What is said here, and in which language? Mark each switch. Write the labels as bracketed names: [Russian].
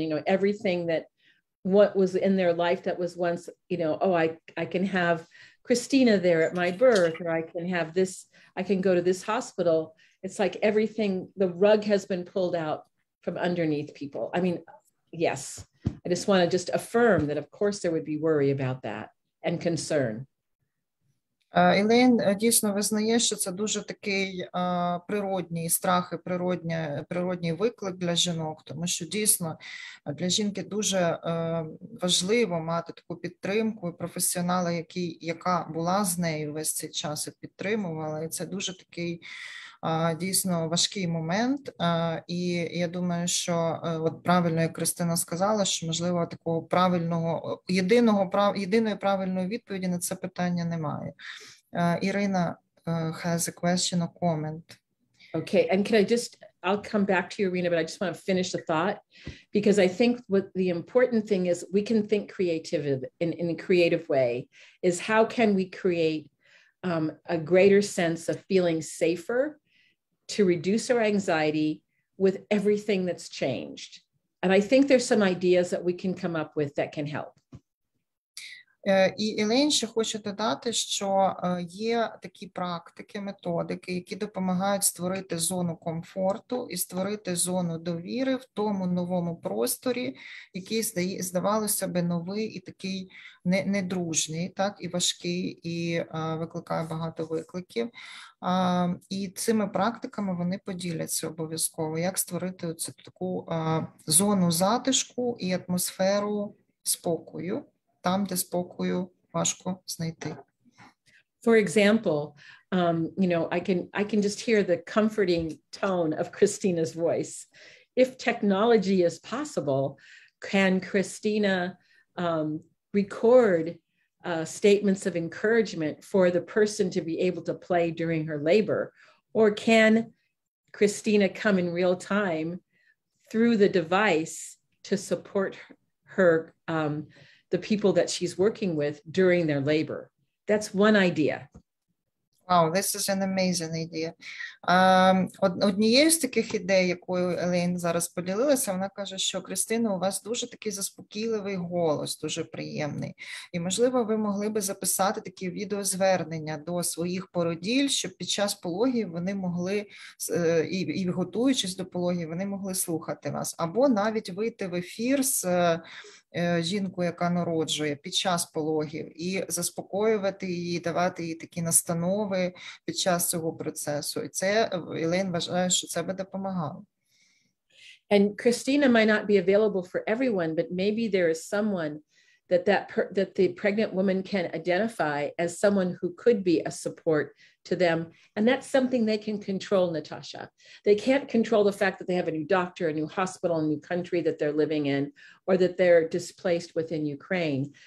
[English] You know, everything that, what was in their life that was once, you know, oh, I can have Christina there at my birth, or I can have this, I can go to this hospital. It's like everything, the rug has been pulled out from underneath people. I mean, yes, I just want to just affirm that of course there would be worry about that and concern. [Ukrainian] Елен дійсно визнає, що це дуже такий природній страх і природній виклик для жінок, тому що дійсно для жінки дуже важливо мати таку підтримку і професіонала, яка була з нею весь цей час і підтримувала. І це дуже такий дійсно важкий момент. І я думаю, що от правильно, як Кристина сказала, що можливо такого правильного, єдиної правильної відповіді на це питання немає. [English] Ірина has a question or comment. Okay, and can I just, I'll come back to you, Ірина, but I just want to finish the thought, because I think what the important thing is, we can think creative in a creative way, is how can we create a greater sense of feeling safer to reduce our anxiety with everything that's changed. And I think there's some ideas that we can come up with that can help. [Ukrainian] І Елен ще хоче додати, що є такі практики, методики, які допомагають створити зону комфорту і створити зону довіри в тому новому просторі, який здавалося би новий і такий недружний, так, і важкий, і викликає багато викликів. І цими практиками вони поділяться обов'язково, як створити оцю таку зону затишку і атмосферу спокою. Там, де спокою важко знайти. [English] For example, you know, I can just hear the comforting tone of Christina's voice. If technology is possible, can Christina record statements of encouragement for the person to be able to play during her labor? Or can Christina come in real time through the device to support her the people that she's working with during their labor? That's one idea. Wow, this is an amazing idea. [Ukrainian] Однією з таких ідей, якою Елен зараз поділилася, вона каже, що Кристина, у вас дуже такий заспокійливий голос, дуже приємний. І, можливо, ви могли би записати такі відеозвернення до своїх породіль, щоб під час пологів вони могли, і готуючись до пологів, вони могли слухати вас. Або навіть вийти в ефір з жінку, яка народжує під час пологів, і заспокоювати її, давати їй такі настанови під час цього процесу. І це, Елен вважає, що це би допомагало. [English] And Christina might not be available for everyone, but maybe there is someone that the pregnant woman can identify as someone who could be a support to them. And that's something they can control, Natasha. They can't control the fact that they have a new doctor, a new hospital, a new country that they're living in, or that they're displaced within Ukraine.